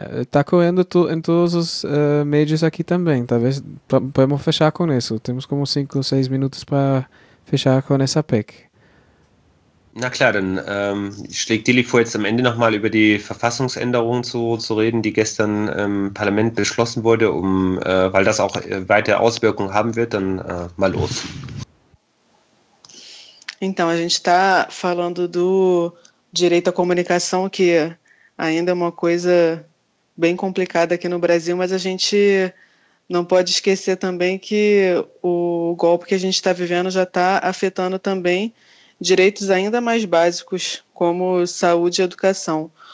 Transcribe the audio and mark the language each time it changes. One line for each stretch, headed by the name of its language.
Portuguese: Tá correndo em todos os meios aqui também. Talvez podemos fechar com isso. Temos como 5 ou 6 minutos para fechar com essa PEC.
German: Na klar, dann schlägt Dilly vor, jetzt am Ende nochmal über die Verfassungsänderung zu reden, die gestern im Parlament beschlossen wurde, weil das auch weite Auswirkungen haben wird. Dann mal los.
Portuguese: Então, a gente está falando do direito à comunicação, que ainda é uma coisa bem complicada aqui no Brasil, mas a gente não pode esquecer também que o golpe que a gente está vivendo já está afetando também direitos ainda mais básicos, como saúde e educação.